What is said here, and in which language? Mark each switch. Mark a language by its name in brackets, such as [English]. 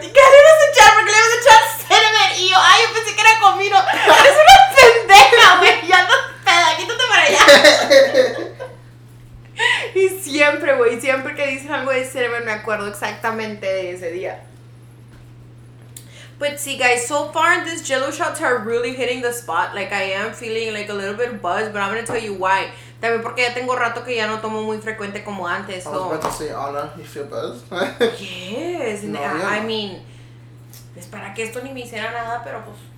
[Spanish] ¿Qué le ibas a echar? ¿Por qué le ibas a echar cinnamon? Y yo, ay, yo pensé que era comino. Eres una pendeja, güey. Ya andas peda, quítate para allá. Y siempre, güey, siempre que dicen algo de cinnamon me acuerdo exactamente de ese día. [English] But see, guys, so far these Jell-O shots are really hitting the spot. Like, I am feeling like a little bit buzzed, but I'm gonna tell you why. [Spanish] También porque ya tengo rato que ya no tomo muy frecuente como antes. [English] So. I was about to say, Ana, you feel buzzed? Yes. [Spanish] No, I mean, es para que esto ni me hiciera nada, pero pues.